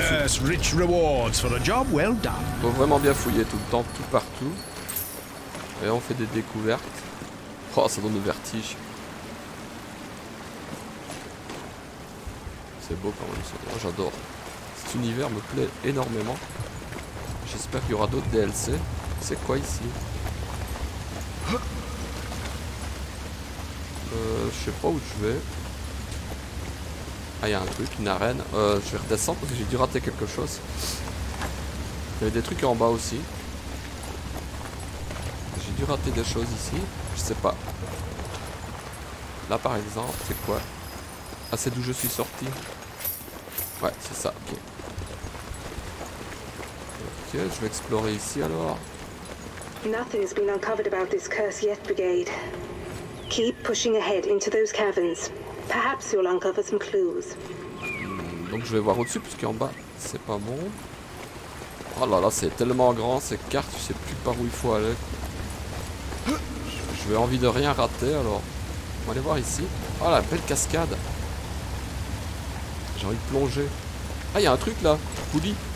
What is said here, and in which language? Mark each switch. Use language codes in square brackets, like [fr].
[en] fouiller. Yes, rich rewards for the job well done. [fr] Faut vraiment bien fouiller tout le temps, tout partout. Et on fait des découvertes. Oh, ça donne le vertige. C'est beau quand même, oh, j'adore. Cet univers me plaît énormément. J'espère qu'il y aura d'autres DLC. C'est quoi ici? Je sais pas où je vais. Ah, y'a un truc, une arène. Je vais redescendre parce que j'ai dû rater quelque chose. Y'a des trucs en bas aussi. J'ai dû rater des choses ici. Je sais pas. Là par exemple, c'est quoi? Ah, c'est d'où je suis sorti. Ouais, c'est ça, ok. Ok, je vais explorer ici alors. [en] Nothing has been uncovered about this curse yet, Brigade. Keep pushing ahead into those caverns. Perhaps you'll uncover some clues. [fr] Donc je vais voir au-dessus parce qu'en bas c'est pas bon. Oh là là, c'est tellement grand cette carte, je sais plus par où il faut aller. Je vais envie de rien rater alors. On va aller voir ici. Oh la belle cascade. J'ai envie de plonger. Ah il y a un truc là, poulie.